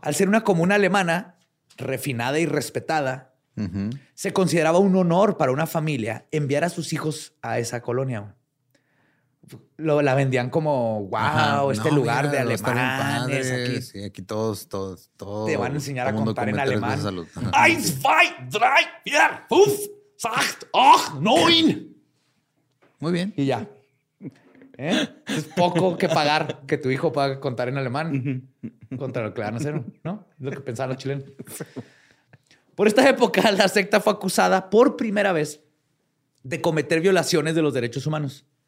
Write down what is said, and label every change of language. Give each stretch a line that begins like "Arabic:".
Spanish: Al ser una comuna alemana, refinada y respetada, uh-huh. se consideraba un honor para una familia enviar a sus hijos a esa colonia. La vendían como, wow, ajá, este no, lugar mira, de alemanes. Aquí todos. Te van a enseñar a contar en alemán.
German: Eins, zwei, drei, vier, fünf, acht, neun.
Spanish: Muy bien. Y ya. ¿Eh? Es poco que pagar que tu hijo pueda contar en alemán contra lo que le van a hacer, ¿no? Es lo que pensaban los chilenos. Por esta época, la secta fue acusada por primera vez de cometer violaciones de los derechos humanos.